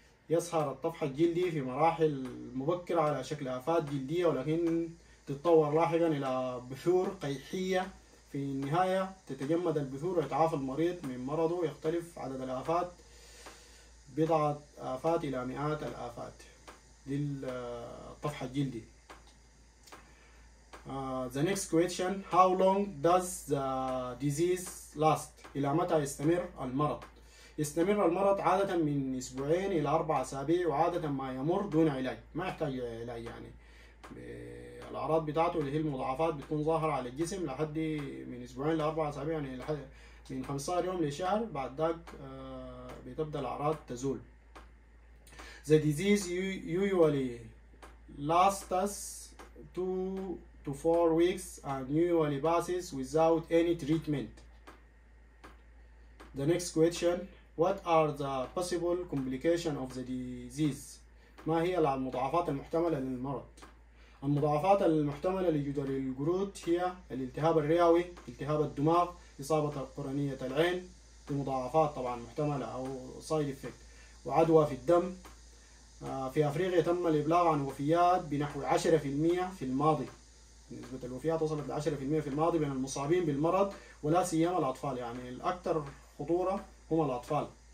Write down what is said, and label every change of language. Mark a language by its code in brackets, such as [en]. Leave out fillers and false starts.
[ar] يظهر الطفح الجلدي في مراحل مبكرة على شكل آفات جلدية ولكن تتطور لاحقا إلى بثور قيحية. في النهاية تتجمد البثور ويتعافى المريض من مرضه. يختلف عدد الآفات بضعة آفات إلى مئات الآفات للطفح الجلدي. [en] The next question: how long does the disease last? [ar] إلى متى يستمر المرض؟ يستمر المرض عادة من أسبوعين إلى 4 أسابيع وعادة ما يمر دون علاج. ما يحتاج علاج يعني. الأعراض بتاعته اللي هي المضاعفات بتكون ظاهرة على الجسم لحد من أسبوعين إلى 4 أسابيع يعني لحد من 15 يوم لشهر. بعد ذلك بتبدأ الأعراض تزول. [en] The disease usually lasts to 4 weeks and usually passes without any treatment. The next question: what are the possible complications of the disease? [ar] ما هي المضاعفات المحتملة للمرض؟ المضاعفات المحتملة لجدري القرود هي الالتهاب الرئوي، التهاب الدماغ، إصابة قرنية العين، دي مضاعفات طبعا محتملة أو [en] side effect، [ar] وعدوى في الدم. في أفريقيا تم الإبلاغ عن وفيات بنحو 10% في الماضي، نسبة الوفيات وصلت ل 10% في الماضي بين المصابين بالمرض، ولا سيما الأطفال، يعني الأكثر خطورة هم الأطفال.